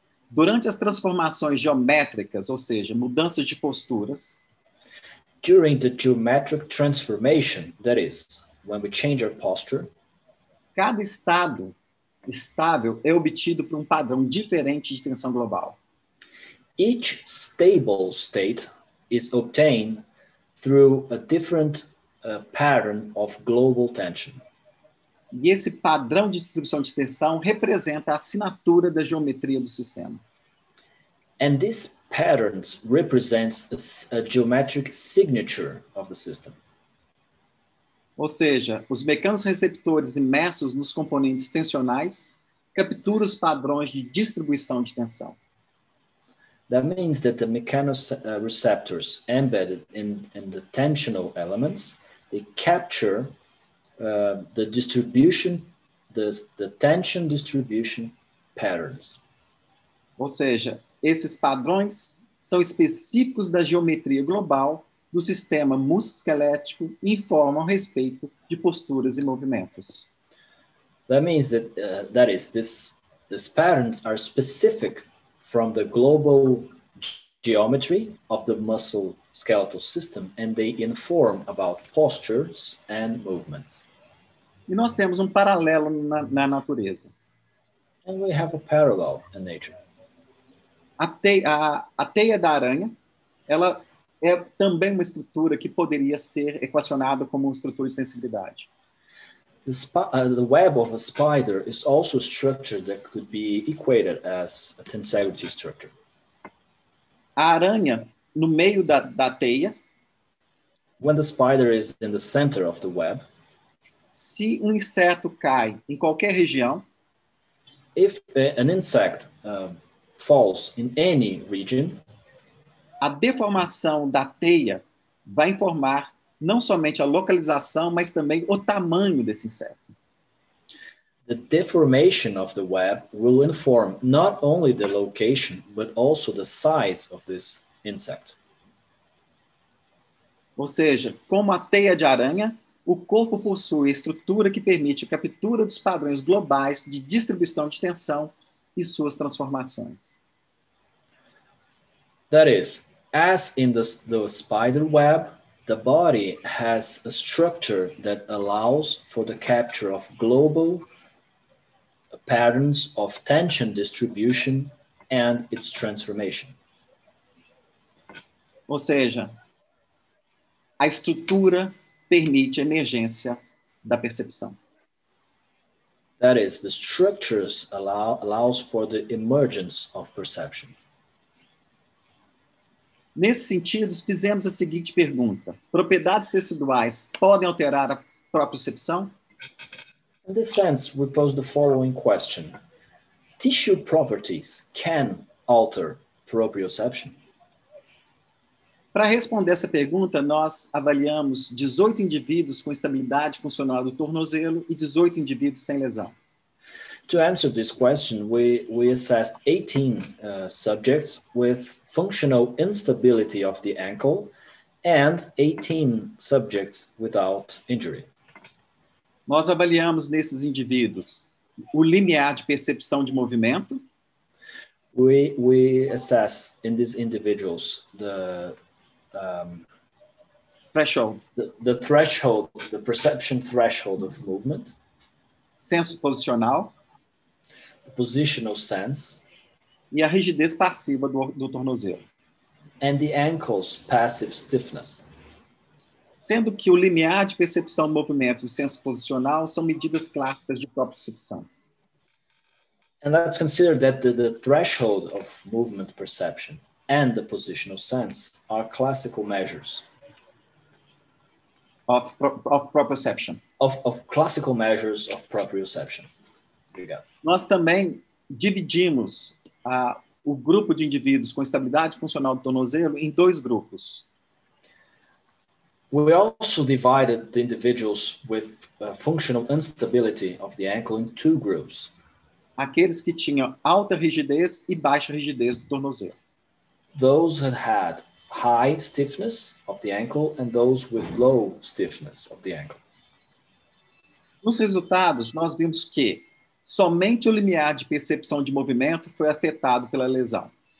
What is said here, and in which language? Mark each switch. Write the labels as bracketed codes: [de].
[pt] Durante as transformações geométricas, ou seja, mudanças de posturas, [en] during the geometric transformation, that is, when we change our posture, [pt] cada estado estável é obtido por um padrão diferente de tensão global. [en] Each stable state is obtained through a different pattern of global tension. [pt] E esse padrão de distribuição de tensão representa a assinatura da geometria do sistema. [en] And this pattern represents a geometric signature of the system. [pt] Ou seja, os mecanorreceptores imersos nos componentes tensionais capturam os padrões de distribuição de tensão. [en] That means that the mechanoreceptors embedded in the tensional elements, they capture the distribution, the tension distribution patterns. [pt] Ou seja, esses padrões são específicos da geometria global do sistema musculoesquelético e informam a respeito de posturas e movimentos. [en] That means that these patterns are specific from the global geometry of the muscle skeletal system and they inform about postures and movements. [pt] E nós temos um paralelo na natureza. [en] And we have a parallel in nature. [pt] A teia da aranha, ela é também uma estrutura que poderia ser equacionada como uma estrutura de tensibilidade. [en] The web of a spider is also a structure that could be equated as a tensibility structure. [pt] A aranha no meio da teia. [en] When the spider is in the center of the web. [pt] Se um inseto cai em qualquer região. [en] If an insect falls in any region, [pt] a deformação da teia vai informar não somente a localização, mas também o tamanho desse inseto. [en] The deformation of the web will inform not only the location, but also the size of this insect. [pt] Ou seja, como a teia de aranha, o corpo possui estrutura que permite a captura dos padrões globais de distribuição de tensão e suas transformações. [en] That is, as in the spider web, the body has a structure that allows for the capture of global patterns of tension distribution and its transformation. [pt] Ou seja, a estrutura permite a emergência da percepção. [en] That is, the structures allows for the emergence of perception. [pt] Nesse sentido, fizemos a seguinte pergunta. Propriedades teciduais podem alterar a própria percepção? [en] In this sense, we pose the following question. Tissue properties can alter proprioception? [pt] Para responder essa pergunta, nós avaliamos 18 indivíduos com estabilidade funcional do tornozelo e 18 indivíduos sem lesão. [en] To answer this question, we assessed 18 subjects with functional instability of the ankle and 18 subjects without injury. [pt] Nós avaliamos nesses indivíduos o limiar de percepção de movimento. [en] We assess in these individuals the threshold. The threshold, the perception threshold of movement. [pt] Senso posicional. [en] The positional sense. [pt] E a rigidez passiva do tornozelo. [en] And the ankle's passive stiffness. [pt] Sendo que o limiar de percepção do movimento e o senso posicional são medidas clássicas de propriocepção. [en] And let's consider that the threshold of movement perception and the positional sense are classical measures. Of proprioception. Of classical measures of proprioception. [pt] Obrigado. Nós também dividimos o grupo de indivíduos com estabilidade funcional do tornozelo em dois grupos. [en] We also divided the individuals with functional instability of the ankle in two groups. [pt] Aqueles que tinham alta rigidez e baixa rigidez do tornozelo. [en] Those that had high stiffness of the ankle and those with low stiffness of the ankle. [pt] Nos resultados, nós vimos que somente o limiar de percepção de movimento foi afetado pela lesão.